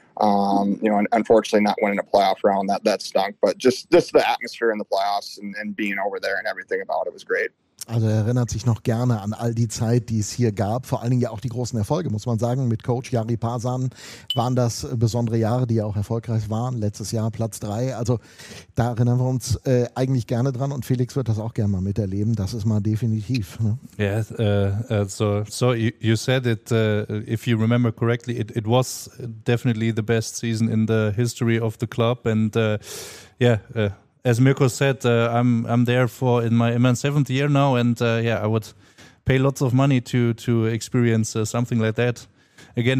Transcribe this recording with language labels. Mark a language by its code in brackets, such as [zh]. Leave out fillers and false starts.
[en] Unfortunately, not winning a playoff round, that stunk. But just the atmosphere in the playoffs and being over there and everything about it was great. [de] Also er erinnert sich noch gerne an all die Zeit, die es hier gab. Vor allen Dingen ja auch die großen Erfolge, muss man sagen. Mit Coach Jari Parsan waren das besondere Jahre, die ja auch erfolgreich waren. Letztes Jahr Platz 3. Also da erinnern wir uns eigentlich gerne dran. Und Felix wird das auch gerne mal miterleben. Das ist mal definitiv. Ne? [en] Yeah, so you said it, if you remember correctly, it was definitely the best season in the history of the club. And as Mirko said, I'm there for in my seventh year now, and I would pay lots of money to experience something like that again.